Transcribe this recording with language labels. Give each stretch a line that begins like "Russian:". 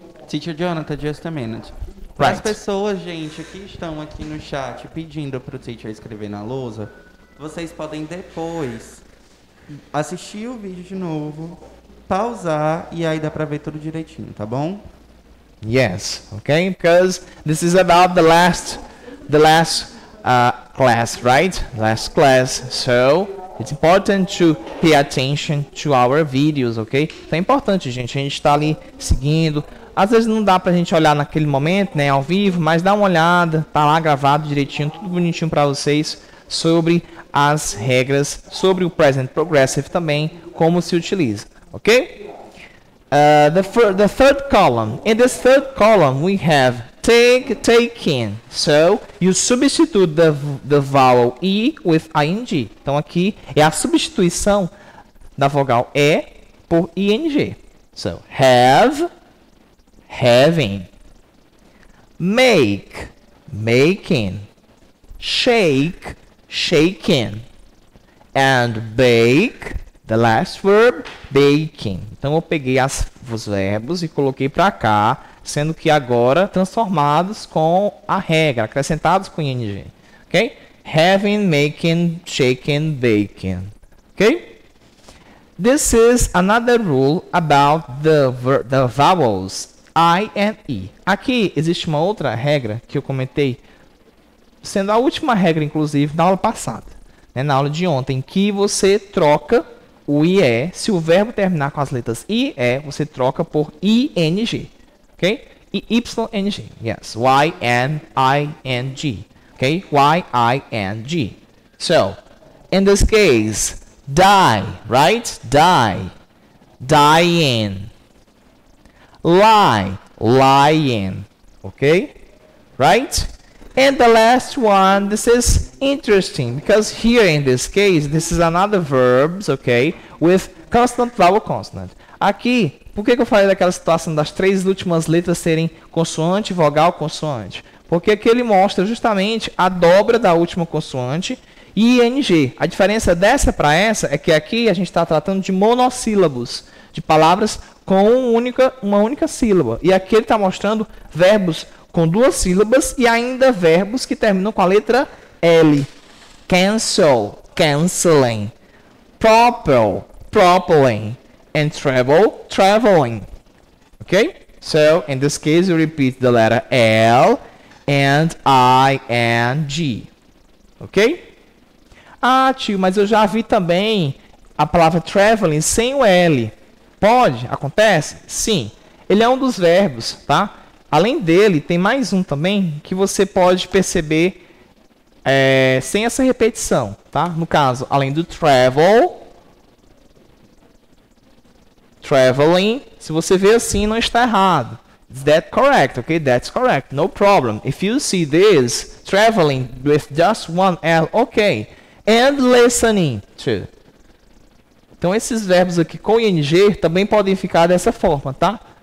English: Teacher Jonathan, just a minute. Right.
Portuguese: As pessoas, gente, que estão aqui no chat pedindo para o teacher escrever na lousa, vocês podem depois assistir o vídeo de novo, pausar e aí dá para ver tudo direitinho, tá bom?
English: Yes, okay? Because this is about the last class, right? Last class. So, it's important to pay attention to our videos, okay?
Portuguese: Então é importante, gente, a gente está ali seguindo. Às vezes não dá pra gente olhar naquele momento, né, ao vivo, mas dá uma olhada, tá lá gravado direitinho, tudo bonitinho pra vocês, sobre as regras, sobre o present progressive também, como se utiliza, ok?
English: The third column. In this third column, we have taking. So, you substitute the vowel E with ing.
Portuguese: Então, aqui é a substituição da vogal E por ing.
English: So, have... Having, make, making, shake, shaking, and bake, the last verb, baking.
Portuguese: Então, eu peguei os verbos e coloquei para cá, sendo que agora transformados com a regra, acrescentados com ing.
English: Ok? Having, making, shaking, baking. Ok? This is another rule about the vowels. I and E.
Portuguese: Aqui existe uma outra regra que eu comentei, sendo a última regra, inclusive, na aula passada, né? Na aula de ontem, que você troca o I e. Se o verbo terminar com as letras I e, você troca por ING.
English: Ok? YNG. Yes. YNING. Ok? YING. So, in this case, die, right? Die. Dying. Lie, lying, okay, right? And the last one, this is interesting, because here in this case, this is another verb, okay, with consonant, vowel, consonant.
Portuguese: Aqui, por que eu falei daquela situação das três últimas letras serem consoante, vogal, consoante? Porque aqui ele mostra justamente a dobra da última consoante e ing. A diferença dessa para essa é que aqui a gente está tratando de monossílabos, de palavras com uma única sílaba. E aqui ele está mostrando verbos com duas sílabas e ainda verbos que terminam com a letra L.
English: Cancel, canceling. Propel, propelling. And travel, traveling. Ok? So, in this case, you repeat the letter L and ING. Ok?
Portuguese: Ah, tio, mas eu já vi também a palavra traveling sem o L. Pode? Acontece? Sim. Ele é um dos verbos, tá? Além dele, tem mais um também que você pode perceber Sem essa repetição, tá? No caso, além do travel, traveling, se você vê assim, não está errado.
English: Is that correct? Okay, that's correct. No problem. If you see this, traveling with just one L, okay. And listening to.
Portuguese: Então, esses verbos aqui com ing também podem ficar dessa forma, tá?